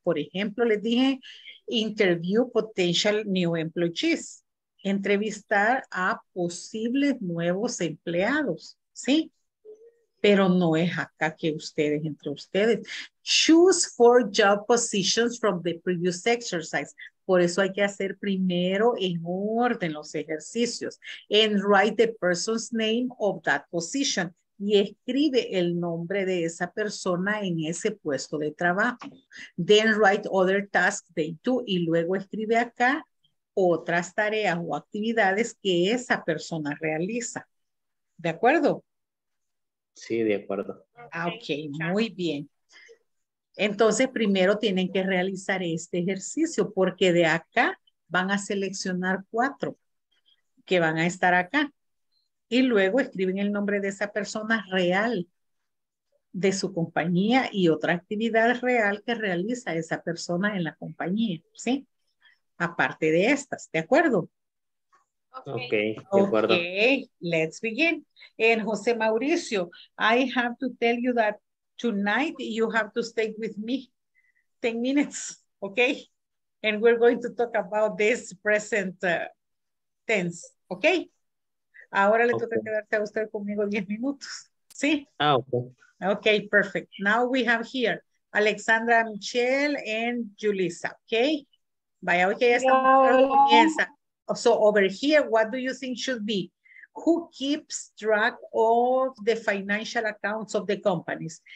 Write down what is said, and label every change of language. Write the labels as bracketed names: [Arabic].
[Spanish] Por ejemplo, les dije [English] interview potential new employees, [Spanish] entrevistar a posibles nuevos empleados, ¿sí? Pero no es acá que ustedes, entre ustedes. [English] Choose 4 job positions from the previous exercise. [Spanish] Por eso hay que hacer primero en orden los ejercicios. [English] And write the person's name of that position. [Spanish] Y escribe el nombre de esa persona en ese puesto de trabajo. [English] Then write other tasks they do. [Spanish] Y luego escribe acá otras tareas o actividades que esa persona realiza. ¿De acuerdo? Sí, de acuerdo. Ok, muy bien. Entonces, primero tienen que realizar este ejercicio porque de acá van a seleccionar 4 que van a estar acá. Y luego escriben el nombre de esa persona real. de su compañía y otra actividad real que realiza esa persona en la compañía, ¿sí? Aparte de estas, ¿de acuerdo? Okay, de acuerdo. [English] Okay, let's begin. And José Mauricio, I have to tell you that tonight you have to stay with me 10 minutes, okay? And we're going to talk about this present tense, okay? [Spanish] Ahora le toca quedarse a usted conmigo 10 minutos, ¿sí? Ah, okay. [English] Okay, perfect. Now we have here Alexandra, Michelle, and Julissa, okay? [Spanish] Vaya, okay, esta comienza. [English] So over here, what do you think should be? Who keeps track of the financial accounts of the companies?